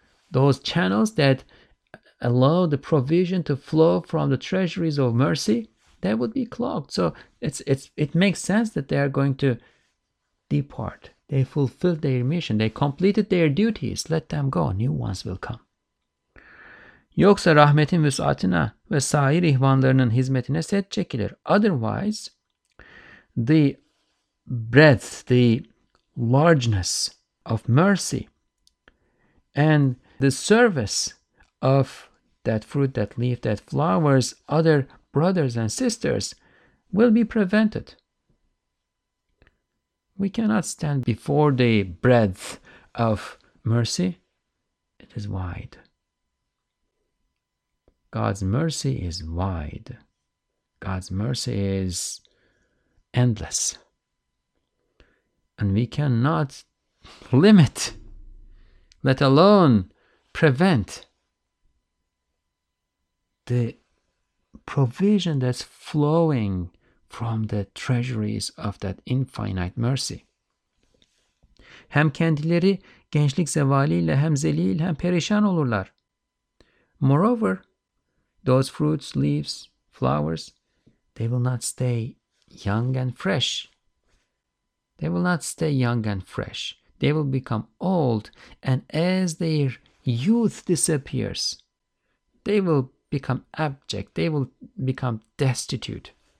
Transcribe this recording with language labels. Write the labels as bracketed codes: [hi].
[en] Those channels that allow the provision to flow from the treasuries of mercy, they would be clogged. So it makes sense that they are going to depart. They fulfilled their mission. They completed their duties. Let them go. New ones will come. [tr] Yoksa rahmetin vüs'atına ve sair ihvanlarının hizmetine set çekilir. [en] Otherwise, the breadth, the largeness of mercy and the service of that fruit, that leaf, that flowers, other brothers and sisters will be prevented. We cannot stand before the breadth of mercy. It is wide. God's mercy is wide. God's mercy is endless. And we cannot limit, let alone prevent, the provision that's flowing from the treasuries of that infinite mercy. [tr] Hem kendileri gençlik zevaliyle hem zelil hem perişan olurlar. [en] Moreover, those fruits, leaves, flowers, they will not stay young and fresh. They will not stay young and fresh. They will become old, and as their youth disappears, they will become abject, they will become destitute.